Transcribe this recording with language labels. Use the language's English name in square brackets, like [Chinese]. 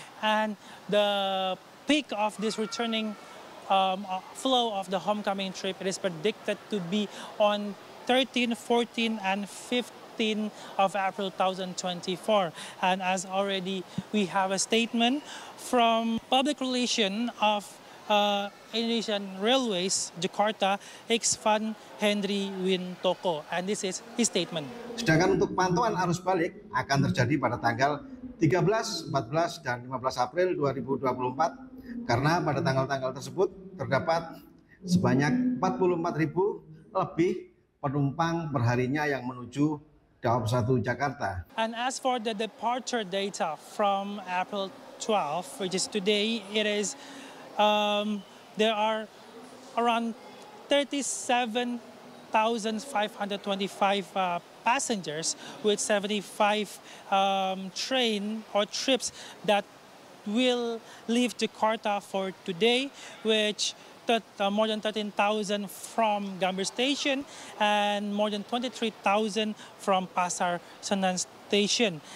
[English] And the peak of this returning flow of the homecoming trip, it is predicted to be on 13, 14 and 15 of April 2024. And as already we have a statement from public relation of Indonesian Railways Jakarta, Xvan Henry Wintoko, and this is his statement. [Indonesian] Sedangkan untuk pantauan arus balik akan terjadi pada tanggal 13, 14 dan 15 April 2024, karena pada tanggal-tanggal tersebut terdapat sebanyak 44.000 lebih penumpang perharinya yang menuju Daop 1 Jakarta. [English] And as for the departure data from April 12, which is today, it is there are around 37,525 passengers with 75 train or trips that will leave Jakarta for today, which more than 13,000 from Gambir Station and more than 23,000 from Pasar Senen Station.